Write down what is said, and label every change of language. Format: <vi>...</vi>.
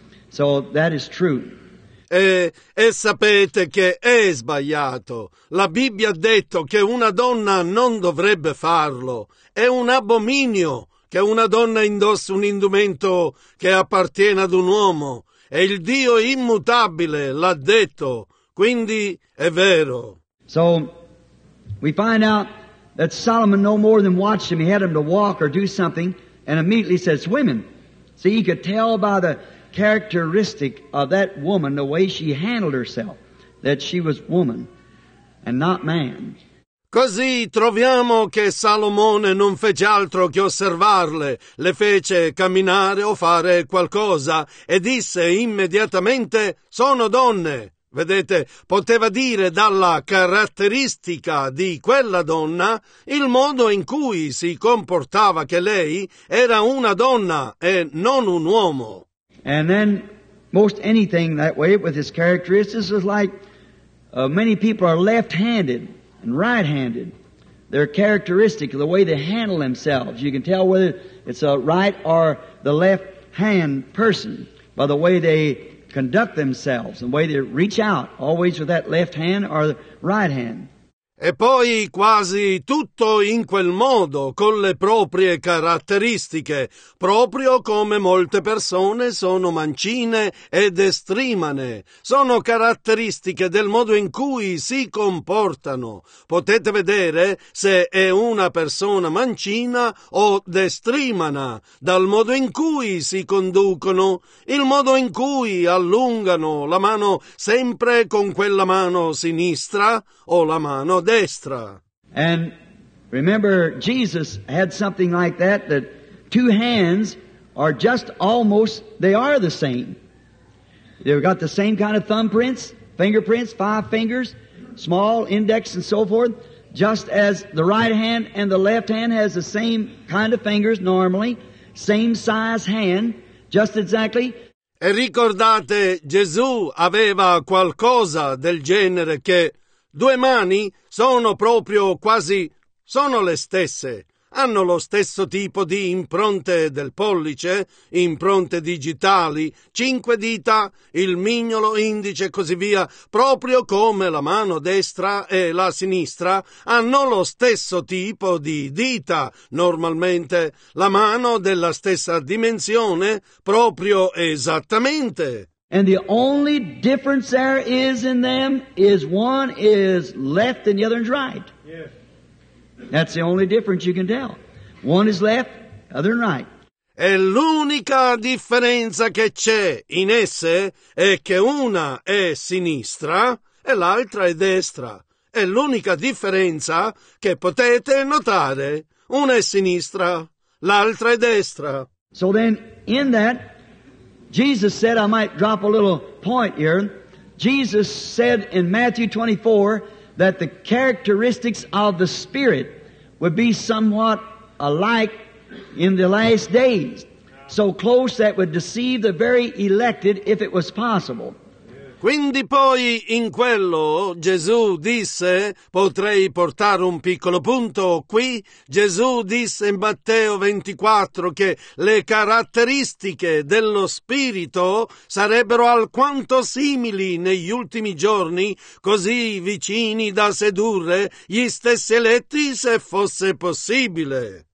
<en>So that is true.</en> <it>E sapete che è sbagliato. La Bibbia ha detto che una donna non dovrebbe farlo. È un abominio che una donna indossi un indumento che appartiene ad un uomo. E il Dio immutabile l'ha detto, quindi è vero.</it> <en>So we find out that Solomon no more than watched him, he had him to walk or do something, and immediately says, women. See, he could tell by the characteristic of that woman, the way she handled herself, that she was woman and not man.</en> <it>Così troviamo che Salomone non fece altro che osservarle, le fece camminare o fare qualcosa e disse immediatamente, sono donne. Vedete, poteva dire dalla caratteristica di quella donna il modo in cui si comportava che lei era una donna e non un uomo.</it> <en>And then most anything that way with his characteristics is like many people are left-handed and right-handed. Their characteristic, the way they handle themselves. You can tell whether it's a right or the left-hand person by the way they conduct themselves, the way they reach out, always with that left hand or the right hand.</en> <it>E poi quasi tutto in quel modo, con le proprie caratteristiche, proprio come molte persone sono mancine ed estrimane. Sono caratteristiche del modo in cui si comportano. Potete vedere se è una persona mancina o destrimana, dal modo in cui si conducono, il modo in cui allungano la mano sempre con quella mano sinistra o la mano destra.</it> <en>And remember, Jesus had something like that, that two hands are just almost, they are the same. They've got the same kind of thumbprints, fingerprints, five fingers, small index and so forth, just as the right hand and the left hand has the same kind of fingers normally, same size hand, just exactly.</en> <it>E ricordate, Gesù aveva qualcosa del genere che due mani sono proprio quasi, sono le stesse. hanno lo stesso tipo di impronte del pollice, impronte digitali, cinque dita, il mignolo, indice e così via, proprio come la mano destra e la sinistra hanno lo stesso tipo di dita, normalmente la mano della stessa dimensione, proprio esattamente.</it> <en>And the only difference there is in them is one is left and the other is right. Yes. That's the only difference you can tell. One is left, other is right.</en> <it>E l'unica differenza che c'è in esse è che una è sinistra e l'altra è destra. È l'unica differenza che potete notare. Una è sinistra, l'altra è destra.</it> <en>So then, in that, Jesus said, I might drop a little point here. Jesus said in Matthew 24 that the characteristics of the Spirit would be somewhat alike in the last days. So close that would deceive the very elected if it was possible.</en> <it>Quindi poi in quello Gesù disse, potrei portare un piccolo punto qui, Gesù disse in Matteo 24 che le caratteristiche dello Spirito sarebbero alquanto simili negli ultimi giorni, così vicini da sedurre gli stessi eletti se fosse possibile.</it>